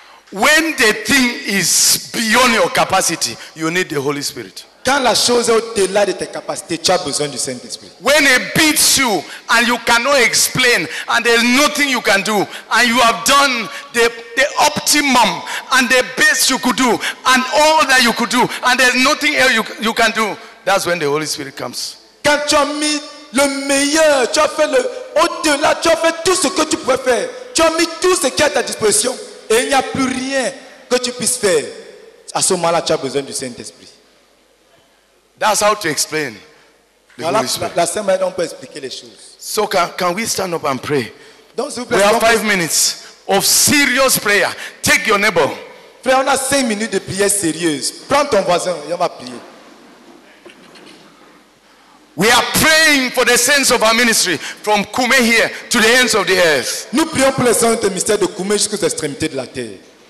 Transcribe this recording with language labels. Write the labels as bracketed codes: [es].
[en] When the thing is beyond your capacity, you need the Holy Spirit. [fr] Quand la chose est au-delà de tes capacités, tu as besoin du Saint-Esprit. [en] When it beats you and you cannot explain and there's nothing you can do and you have done the optimum and the best you could do and all that you could do and there's nothing else you can do, that's when the Holy Spirit comes. [fr] Quand tu as mis le meilleur, tu as fait le au-delà, tu as fait tout ce que tu pouvais faire, tu as mis tout ce qui est à ta disposition et il n'y a plus rien que tu puisses faire, à ce moment-là, tu as besoin du Saint-Esprit. [en] That's how to explain the [fr] Holy Spirit. La semaine, on peut expliquer les choses. [en] So can we stand up and pray? [fr] Donc, [en] we have 5 minutes of serious prayer. Take your neighbor. [fr] Frère, on a 5 minutes de prière sérieuse. Prends ton voisin et on va prier. [en] We are praying for the saints of our ministry from Kume here to the ends of the earth. [fr] Nous prions pour les saints du ministère de Kume jusqu'aux extrémités de la terre.